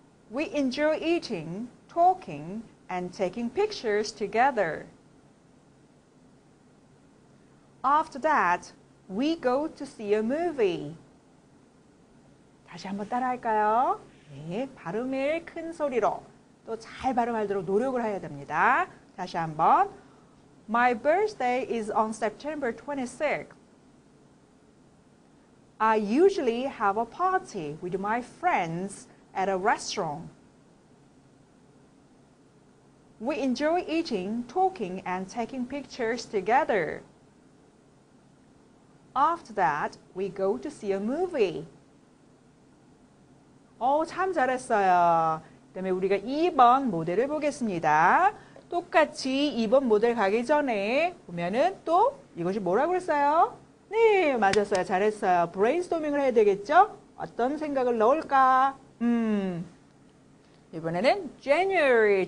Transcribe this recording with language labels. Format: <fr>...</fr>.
<en>We enjoy eating, talking, and taking pictures together. After that, we go to see a movie.</en> <ko>다시 한번 따라할까요? 네, 발음을 큰 소리로 또잘 발음하도록 노력을 해야 됩니다. 다시 한번.</ko> <en>My birthday is on September 26th. I usually have a party with my friends at a restaurant. We enjoy eating, talking, and taking pictures together. After that, we go to see a movie.</en> <ko>참 잘했어요. 그다음에 우리가 2번 모델을 보겠습니다. 똑같이 2번 모델 가기 전에 보면은 또 이것이 뭐라고 그랬어요? 네, 맞았어요. 잘했어요. 브레인스토밍을 해야 되겠죠? 어떤 생각을 넣을까? 이번에는 January.</ko>